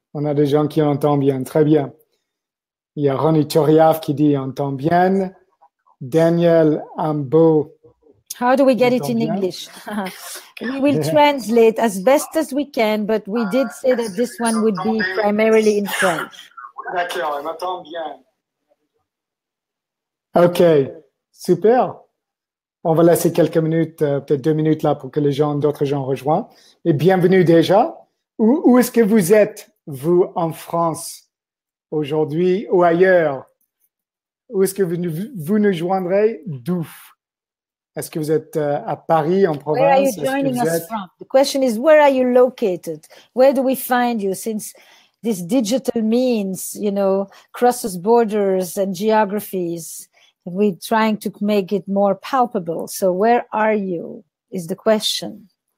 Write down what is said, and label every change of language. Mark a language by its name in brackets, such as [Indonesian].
[French] On a des gens qui entendent bien. Très bien. Il y a Ronnie Turiaf qui dit « entend bien ». Daniel Ambo. [English] How do we get it in English? We will translate as best as we can, but we did say that this one would be primarily in French. [French] D'accord, on entend bien. OK, super. On va laisser quelques minutes, peut-être deux minutes là pour que les gens, d'autres gens rejoignent. Et bienvenue déjà. Où est-ce que vous êtes, vous, en France, aujourd'hui ou ailleurs? Où est-ce que vous nous joindrez? D'où? Est-ce que vous êtes à Paris, en province? [English] Where are you joining us from? The question is, where are you located? Where do we find you? Since this digital means, you know, crosses borders and geographies, we're trying to make it more palpable. So where are you, is the question.